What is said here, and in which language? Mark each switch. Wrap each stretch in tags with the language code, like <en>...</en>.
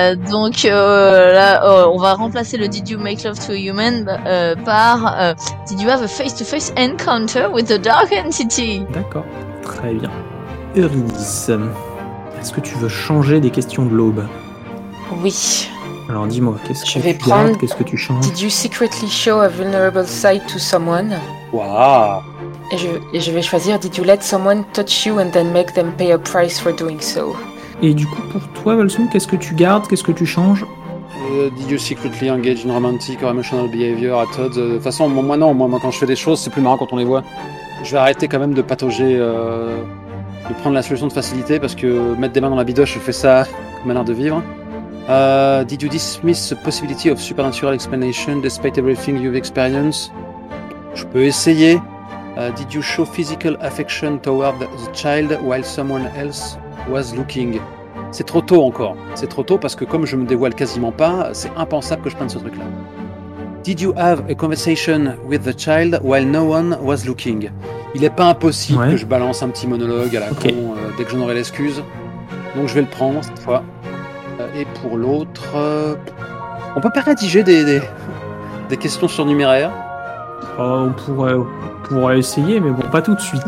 <fr>Donc, on va remplacer le</fr> <en>Did you make love to a human par Did you have a face-to-face encounter with the dark entity?</en> <fr>D'accord, très bien. Eurydice, est-ce que tu veux changer des questions de l'aube? Oui. Alors, dis-moi, qu'est-ce que tu changes?</fr> <en>Did you secretly show a vulnerable side to someone? Waouh!</en> <fr>Et je vais choisir</fr> <en>« Did you let someone touch you and then make them pay a price for doing so ?»</en> <fr>Et du coup, pour toi, Valsum, qu'est-ce que tu gardes? Qu'est-ce que tu changes? «</fr> <en>Did you secretly engage in romantic or emotional behavior at Todd</en> <fr>?» De toute façon, moi, non. Moi, quand je fais des choses, c'est plus marrant quand on les voit. Je vais arrêter quand même de patauger, de prendre la solution de facilité, parce que mettre des mains dans la bidoche, je fais ça comme un art de vivre.</fr> <en>Did you dismiss the possibility of supernatural explanation despite everything you've experienced?</en> <fr>Je peux essayer.</fr> <en>Did you show physical affection toward the child while someone else was looking?</en> <fr>C'est trop tôt encore. C'est trop tôt parce que comme je me dévoile quasiment pas, c'est impensable que je prenne ce truc-là.</fr> <en>Did you have a conversation with the child while no one was looking?</en> <fr>Il est pas impossible que je balance un petit monologue à la con dès que j'en aurai l'excuse. Donc je vais le prendre cette fois. Et pour l'autre... On peut pas rédiger des questions surnuméraires? On pourrait essayer, mais bon, pas tout de suite.</fr>